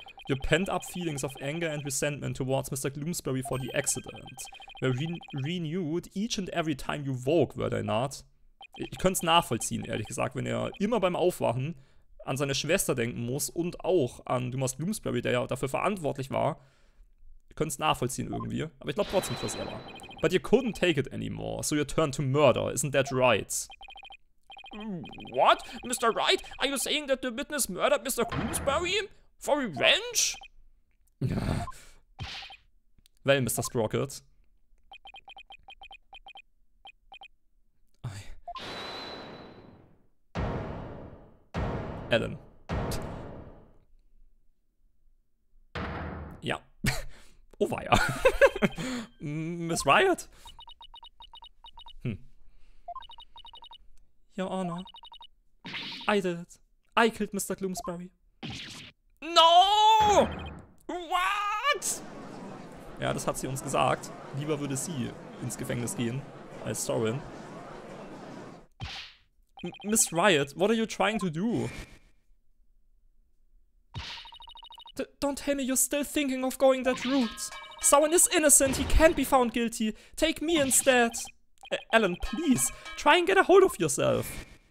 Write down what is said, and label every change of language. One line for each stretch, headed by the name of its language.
English: Your pent-up feelings of anger and resentment towards Mr. Gloomsbury for the accident were renewed each and every time you woke, were they not?
German: Ich könnte es nachvollziehen, ehrlich gesagt, wenn er immer beim Aufwachen an seine Schwester denken muss und auch an Dumas Gloomsbury, der ja dafür verantwortlich war. Ich könnte es nachvollziehen irgendwie, aber ich glaube trotzdem, dass er war.
English: But you couldn't take it anymore, so you turned to murder, isn't that right? What? Mr. Wright, are you saying that the witness murdered Mr. Gloomsbury? For revenge? Well, Mr. Sprocket. Alan.
German: Ja. Oh weia. Miss Riot?
English: Your Honor. I did it. I killed Mr. Gloomsbury. No! What?
German: Ja, das hat sie uns gesagt. Lieber würde sie ins Gefängnis gehen als Soren.
English: Miss Riot, what are you trying to do? Don't tell me you're still thinking of going that route. Soren is innocent, he can't be found guilty. Take me instead. Alan, please, try and get a hold of yourself.